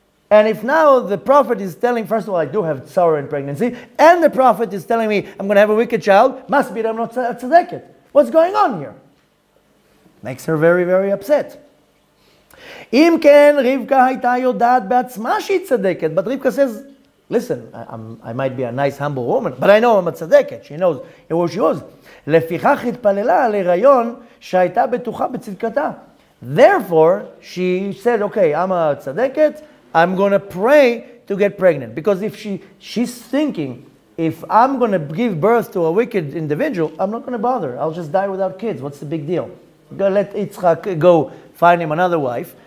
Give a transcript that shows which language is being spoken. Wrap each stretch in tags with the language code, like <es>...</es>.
<en>And if now the prophet is telling, first of all, I do have sorrow in pregnancy, and the prophet is telling me I'm going to have a wicked child, must be that I'm not a tzedeket. What's going on here? Makes her very, very upset.</en> <he>Im ken Rivka hayta yodat be'atzma shi tzedeket.</he> <en>But Rivka says, listen, I might be a nice, humble woman, but I know I'm a tzedeket. She knows who she was.</en> <he>לפיכך התפללה לרעיון שהייתה בטוחה בצדקתה.</he> <en>Therefore, she said, okay, I'm a tzedeket, I'm going to pray to get pregnant. Because if she's thinking, if I'm going to give birth to a wicked individual, I'm not going to bother. I'll just die without kids. What's the big deal? Let Yitzchak go find him another wife.</en>